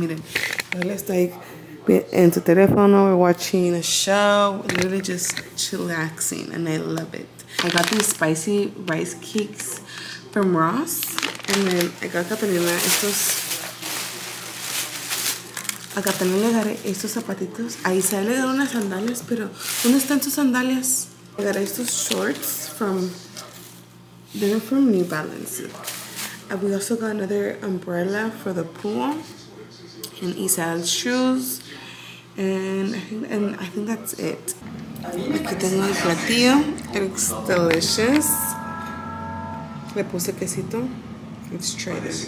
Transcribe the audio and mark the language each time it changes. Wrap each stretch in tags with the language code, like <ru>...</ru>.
<en>Miren, let's like be in the teléfono, we're watching a show, literally just chillaxing, and I love it. I got these spicy rice cakes from Ross, and then I got Catalina estos.</en> <es>A Catalina le daré estos zapatitos. A Isabel le daré unas sandalias, pero ¿dónde están sus sandalias? Le daré estos</es> <en>shorts from. They're from New Balance. And we also got another umbrella for the pool. And Isabel's shoes. And I think that's it.</en> <es>Aquí tengo el platillo.</es> <en>It looks delicious.</en> <es>Le puse quesito.</es> <en>Let's try this.</en>